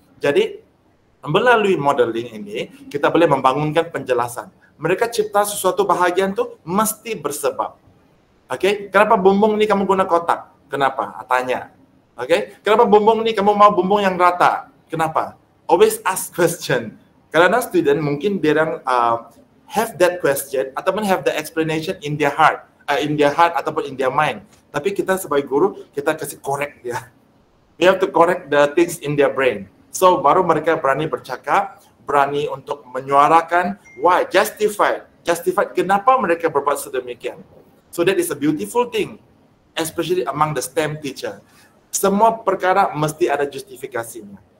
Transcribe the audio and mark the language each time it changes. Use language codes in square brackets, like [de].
[ms] Jadi melalui modeling ini, kita boleh membangunkan penjelasan. Mereka cipta sesuatu bahagian tu mesti bersebab. Okay, kenapa bumbung ni kamu guna kotak? Kenapa? Tanya. Okay, kenapa bumbung ni kamu mau bumbung yang rata? Kenapa? [en] Always ask question. [ms] Karena student mungkin dia yang [en] have that question ataupun have the explanation in their heart, ataupun in their mind. [ms] Tapi kita sebagai guru, kita kasih correct dia. [en] We have to correct the things in their brain. So [ms] baru mereka berani bercakap, berani untuk menyuarakan [en] why, justify [ms] kenapa mereka berbuat sedemikian. [en] So that is a beautiful thing, especially among the STEM teacher. [ms] Semua perkara mesti ada justifikasinya.